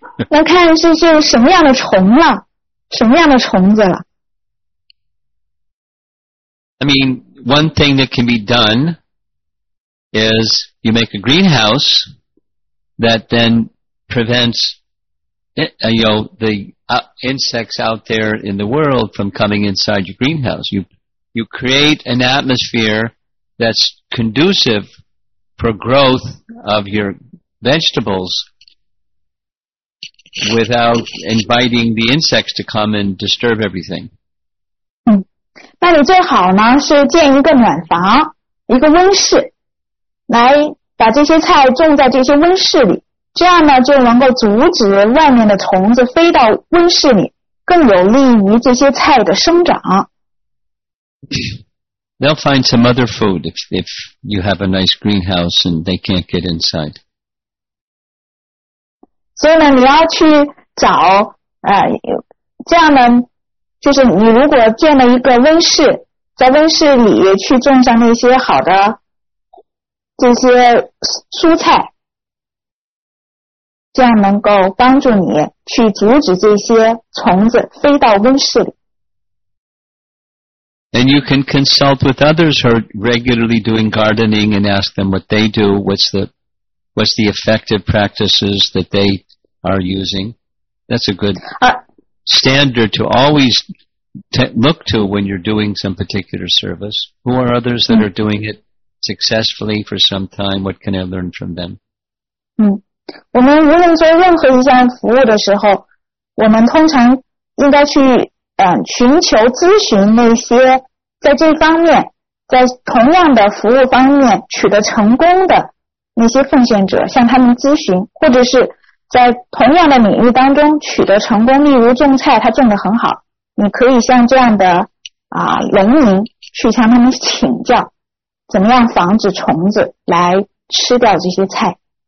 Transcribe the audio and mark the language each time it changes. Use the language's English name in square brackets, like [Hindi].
[Chinese] 那看是什么样的虫了，什么样的虫子了。 [English] I mean, one thing that can be done is you make a greenhouse that then prevents insects out there in the world from coming inside your greenhouse. You create an atmosphere that's conducive for growth of your vegetables without inviting the insects to come and disturb everything. [Chinese] 那你最好呢是建一个暖房，一个温室，来把这些菜种在这些温室里，这样呢就能够阻止外面的虫子飞到温室里，更有利于这些菜的生长。 [English] They'll find some other food if you have a nice greenhouse and they can't get inside. [Chinese] 所以呢，你要去找这样呢，就是你如果建了一个温室，在温室里去种上那些好的这些蔬菜，这样能够帮助你去阻止这些虫子飞到温室里。 [English] And you can consult with others who are regularly doing gardening and ask them what they do, what's the effective practices that they are using. That's a good standard to always look to when you're doing some particular service. Who are others that are doing it successfully for some time? What can I learn from them? [Chinese] 我们无论做任何一项服务的时候，我们通常应该去寻求咨询那些在这方面，在同样的服务方面取得成功的那些奉献者，向他们咨询，或者是在同样的领域当中取得成功，例如种菜，他种得很好，你可以向这样的农民去向他们请教，怎么样防止虫子来吃掉这些菜。